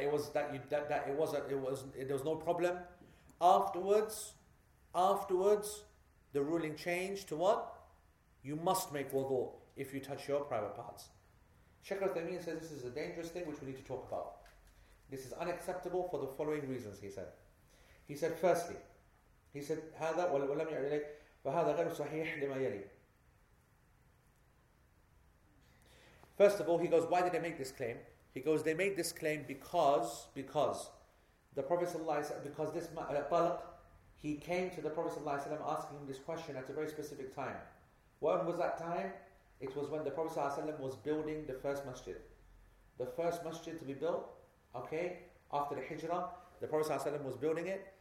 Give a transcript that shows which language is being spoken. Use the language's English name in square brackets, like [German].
[English] There was no problem. Afterwards, the ruling changed to what? You must make wudu if you touch your private parts. Sheikh Uthaymeen says this is a dangerous thing which we need to talk about. This is unacceptable for the following reasons. He said, [Arabic] هذا ولم يعلق فهذا غير صحيح لما يلي. [English] First of all, he goes, why did they make this claim? He goes, they made this claim because the Prophet ﷺ, because this Talq, he came to the Prophet ﷺ asking him this question at a very specific time. When was that time? It was when the Prophet ﷺ was building the first masjid. The first masjid to be built, okay, after the Hijrah, the Prophet ﷺ was building it.